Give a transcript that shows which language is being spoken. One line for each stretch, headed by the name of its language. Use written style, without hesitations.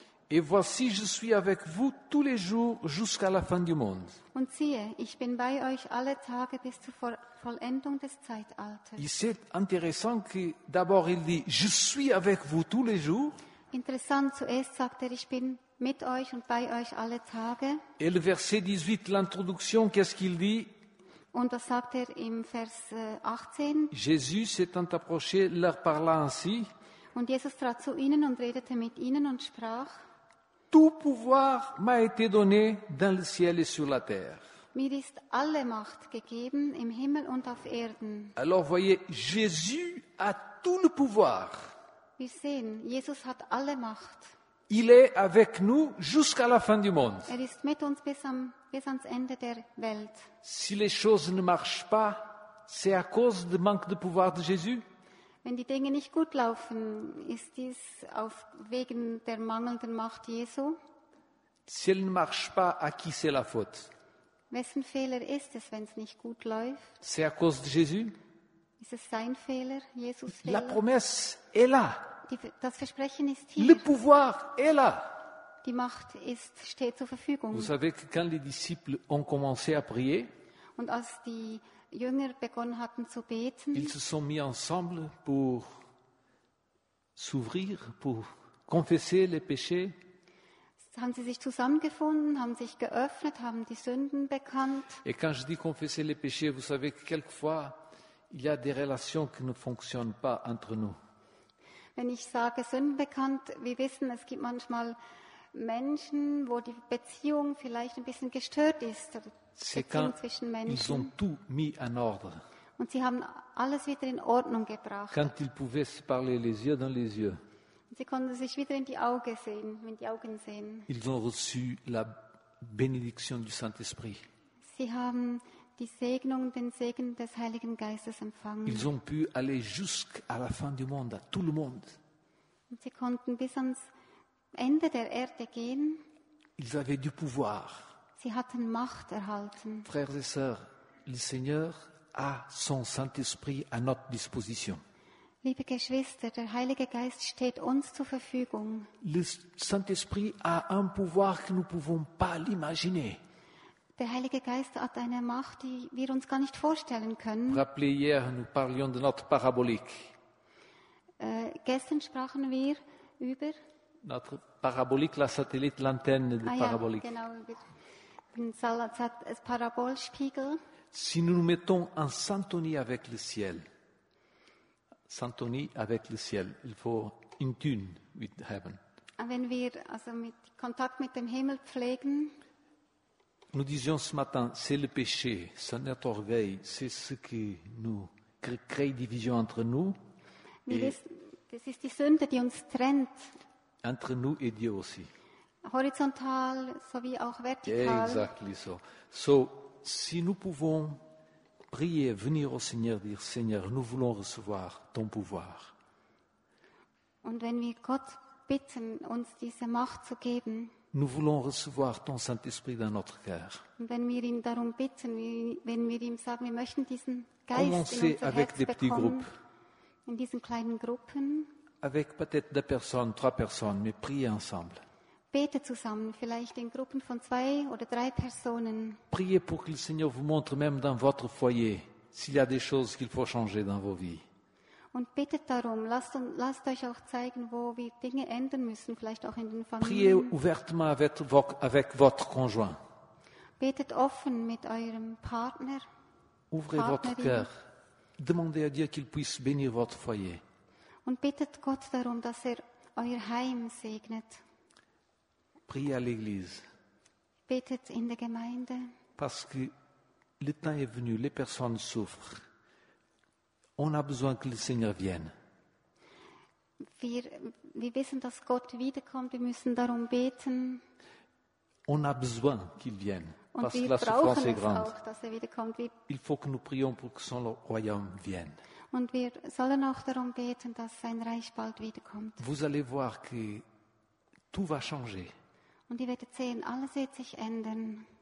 French: Et voici, je suis avec vous tous les jours jusqu'à la fin du monde.
German: Und siehe, ich bin bei euch alle Tage bis zur Vollendung des Zeitalters.
French: Et c'est intéressant que d'abord il dit, je suis avec vous tous les jours.
German: Interessant, zuerst sagt er, ich bin mit euch und bei euch alle Tage.
French: Et le verset 18, l'introduction, qu'est-ce qu'il dit?
German: Und was sagt er im Vers 18?
French: Jésus s'étant approché, leur parla ainsi.
German: Und Jesus trat zu ihnen und redete mit ihnen und sprach:
French: Tout pouvoir m'a été donné dans le ciel et sur la terre.
German: Mir ist alle Macht gegeben im Himmel und auf Erden.
French: Alors voyez, Jésus a tout le pouvoir.
German: Wir sehen, Jesus hat alle Macht.
French: Il est avec nous jusqu'à la fin du monde.
German: Er ist mit uns bis ans Ende der Welt.
French: Si les choses ne marchent pas, c'est à cause du manque de pouvoir de Jésus.
German: Wenn die Dinge nicht gut laufen, ist dies auf wegen der mangelnden Macht Jesu?
French: Si elle ne marche pas, à qui c'est la faute?
German: Wessen Fehler ist es, wenn es nicht gut läuft?
French: C'est à cause de Jésus?
German: Ist es sein Fehler, Jesus Fehler?
French: La promesse est là.
German: Das Versprechen ist hier.
French: Le pouvoir est là.
German: Die Macht steht zur Verfügung.
French: Vous savez que quand les disciples ont commencé à prier,
German: und als die Jünger begonnen hatten zu beten.
French: Ils se sont mis ensemble pour s'ouvrir, pour confesser les péchés.
German: Haben sie sich zusammengefunden, haben sich geöffnet, haben die Sünden bekannt.
French: Et quand je dis confesser les péchés, vous savez que quelquefois, il y a des relations qui ne fonctionnent pas entre nous.
German: Wenn ich sage Sünden bekannt, wir wissen, es gibt manchmal Menschen, wo die Beziehung vielleicht ein bisschen gestört ist.
French: C'est quand ils ont tout mis en ordre.
German: Und sie haben alles wieder in Ordnung gebracht.
French: Quand ils pouvaient se parler les yeux dans les yeux.
German: Und sie konnten sich wieder in die Augen sehen, in die Augen sehen.
French: Ils ont reçu la bénédiction du Saint-Esprit.
German: Sie haben die Segnung, den Segen des Heiligen Geistes empfangen.
French: Ils ont pu aller jusqu'à la fin du monde, à tout le monde.
German: Und sie konnten bis ans Ende der Erde gehen.
French: Ils avaient du pouvoir.
German: Sie hatten Macht erhalten.
French: Frères et sœurs, le Seigneur a son Saint-Esprit à notre disposition.
German: Liebe Geschwister, der Heilige Geist steht uns zur Verfügung.
French: Le Saint-Esprit a un pouvoir que nous pouvons pas l'imaginer.
German: Der Heilige Geist hat eine Macht, die wir uns gar nicht vorstellen können.
French: Rappelez hier, nous parlions de notre parabolique.
German: Gestern sprachen wir über
French: notre parabolique, la satellite, l'antenne de parabolique.
German: Genau, über den Salat, das Parabolspiegel.
French: Si nous nous mettons en syntonie avec le ciel. Syntonie avec le ciel. Il faut
English: in tune with heaven.
German: Wenn wir also mit Kontakt mit dem Himmel pflegen.
French: Nous disions ce matin, c'est le péché, c'est notre orgueil, c'est ce qui nous crée division entre nous.
German: Das ist die Sünde, die uns trennt.
French: Entre nous et Dieu aussi.
German: Horizontal sowie auch vertikal.
English: Exactly so.
French: So, si nous pouvons prier, venir au Seigneur, dire Seigneur, nous voulons recevoir ton pouvoir.
German: Und wenn wir Gott bitten, uns diese Macht zu geben,
French: nous voulons recevoir ton Saint-Esprit dans notre cœur.
German: Und wenn wir ihn darum bitten, wenn wir ihm sagen, wir möchten diesen Geist in unser Herz
French: avec des
German: bekommen,
French: petits groupes,
German: in diesen kleinen Gruppen,
French: avec peut-être deux personnes, trois personnes, mais prier ensemble.
German: Bete zusammen, vielleicht in Gruppen von zwei oder drei Personen.
French: Priez pour que le Seigneur vous montre même dans votre foyer s'il y a des choses qu'il faut changer dans vos vies.
German: Und betet darum, lasst euch auch zeigen, wo wir Dinge ändern müssen, vielleicht auch in den Familien.
French: Priez ouvertement avec votre conjoint.
German: Betet offen mit eurem Partner.
French: Ouvrez votre cœur. Demandez à Dieu qu'il puisse bénir votre foyer.
German: Und betet Gott darum, dass er euer Heim segnet.
French: Priez à l'église.
German: Betet in der Gemeinde.
French: Parce que le temps est venu, les personnes souffrent. On a besoin que le Seigneur vienne.
German: Wir wissen, dass Gott wiederkommt. Wir müssen darum beten.
French: On a besoin qu'il vienne.
German: Und
French: parce
German: wir
French: que la souffrance est grande.
German: Auch, dass er wiederkommt.
French: Il faut que nous prions pour que son royaume vienne.
German: Und wir sollen auch darum beten, dass sein Reich bald wiederkommt.
French: Vous allez voir que tout va changer.
German: Und ihr werdet sehen, alles wird sich ändern.